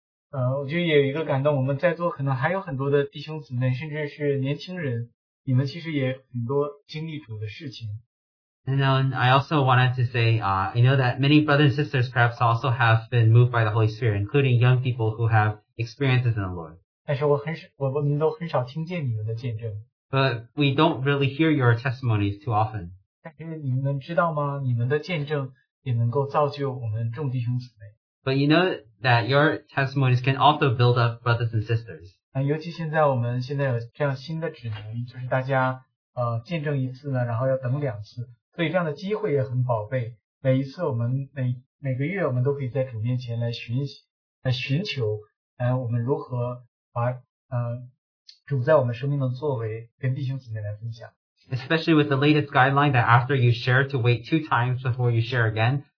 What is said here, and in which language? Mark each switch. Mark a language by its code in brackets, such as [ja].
[zh] 我觉得也有一个感动, 我们在座可能还有很多的弟兄姊妹, 甚至是年轻人, 你们其实也很多经历主的事情。 [en] And then I also wanted to say, you know that many brothers and sisters perhaps also have been moved by the Holy Spirit, including young people who have experiences in the Lord. [zh] 但是我们都很少听见你们的见证。 [en] But we don't really hear your testimonies too often. [zh] 但是你们知道吗? 你们的见证也能够造就我们众弟兄姊妹。 [en] But you know that your testimonies can also build up brothers and sisters. [zh] 尤其现在我们现在有这样新的指南，就是大家见证一次呢，然后要等两次，所以这样的机会也很宝贵。每一次我们每个月我们都可以在主面前来寻求，来寻求，我们如何把主在我们生命的作为跟弟兄姊妹来分享。 [en] Especially with the latest guideline that after you share to wait two times before you share again.